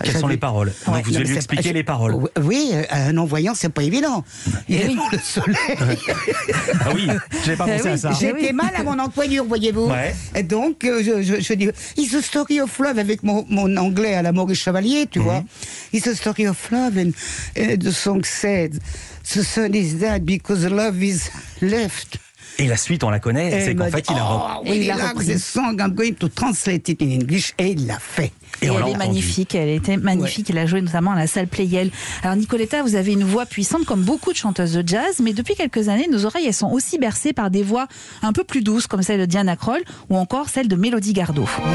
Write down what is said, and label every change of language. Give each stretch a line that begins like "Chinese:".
French: Quelles sont les paroles? Ouais. Donc vous allez lui expliquer les paroles. Oui, un non-voyant, c'est pas évident. Il est mort le soleil. Ah oui, j'ai pas pensé à ça. J'étais mal à mon employure, voyez-vous. Ouais. Et donc, je dis,
English: it's a story of love,
French: avec mon anglais à la Maurice Chevalier, tu vois.
English: It's a story of love, and the song said, the sun is dead because love is left.
French: Et la suite, on la connaît, et c'est qu'en fait, il a repris.
English: Song, I'm going to translate it in English,
French: et il l'a fait. Et elle est magnifique, elle était magnifique, ouais. Elle a joué notamment à la salle Playel. Alors Nicoletta, vous avez une voix puissante comme beaucoup de chanteuses de jazz, mais depuis quelques années, nos oreilles elles sont aussi bercées par des voix un peu plus douces, comme celle de Diana Krall, ou encore celle de Mélodie Gardot.